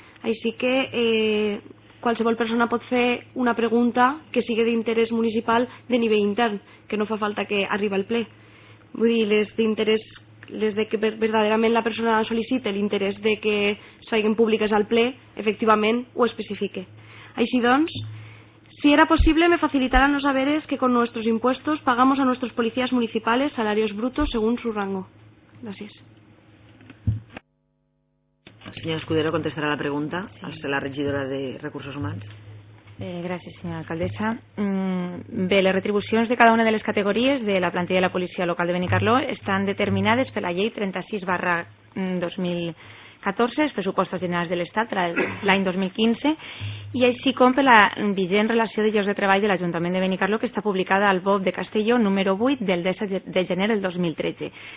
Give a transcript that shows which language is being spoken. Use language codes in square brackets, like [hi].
[ca] Així que qualsevol persona pot fer una pregunta que sigui d'interès municipal de nivell intern, que no fa falta que arribi al ple. Vull dir, les d'interès, les de que verdaderament la persona sol·licite l'interès de que siguin públiques al ple, efectivament ho especifique. Així doncs, si era possible, me facilitaran [es] los saberes que con nuestros impuestos pagamos a nuestros policías municipales salarios brutos según su rango. Gracias. Señora Escudero, contestará la pregunta. Sí. Al ser la regidora de Recursos Humanos. Gracias, señora alcaldesa. [ca] Bé, les retribucions de cada una de les categories de la plantilla de la policia local de Benicarló estan determinades per la llei 36/2014, els pressupostos generals de l'Estat l'any 2015, i així com per la vigent relació de llocs de treball de l'Ajuntament de Benicarló, que està publicada al BOP de Castelló número 8 del 10 de gener del 2013.